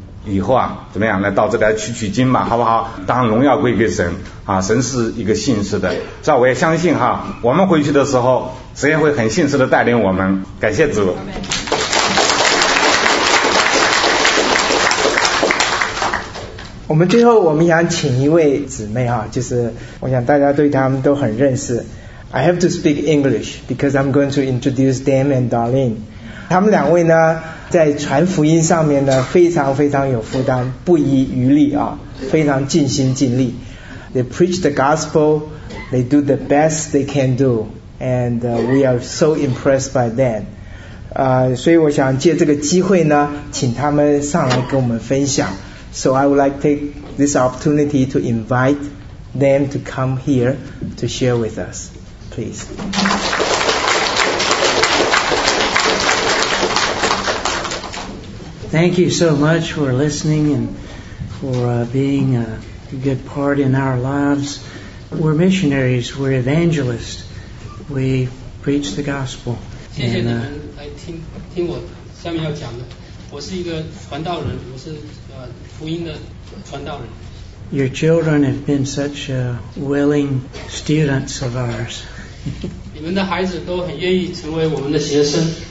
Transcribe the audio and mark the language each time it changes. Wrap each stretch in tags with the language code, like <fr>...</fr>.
<zh>以后啊怎么样来到这里来取取经嘛，好不好？当荣耀归给神啊，神是一个信实的，是吧？我也相信哈，我们回去的时候神也会很信实的带领我们。感谢主。我们最后我们想请一位姊妹哈，就是我想大家对他们都很认识。</zh> <en>I have to speak English because I'm going to introduce them and Darlene。</en> <zh>他们两位呢在传福音上面呢非常非常有负担，不遗余力啊，非常尽心尽力。</zh> <en>They preach the gospel, they do the best they can do, and we are so impressed by them.</en> <zh>所以我想借这个机会呢请他们上来跟我们分享。</zh> <en>So I would like to take this opportunity to invite them to come here to share with us, please. Thank you so much for listening and for being a good part in our lives. We're missionaries, we're evangelists, we preach the gospel.</en> <zh>谢谢你们来听我下面要讲的。我是一个传道人，我是福音的传道人。</zh> <en>Your children have been such willing students of ours.</en> <zh>你们的孩子都很愿意成为我们的学生。</zh>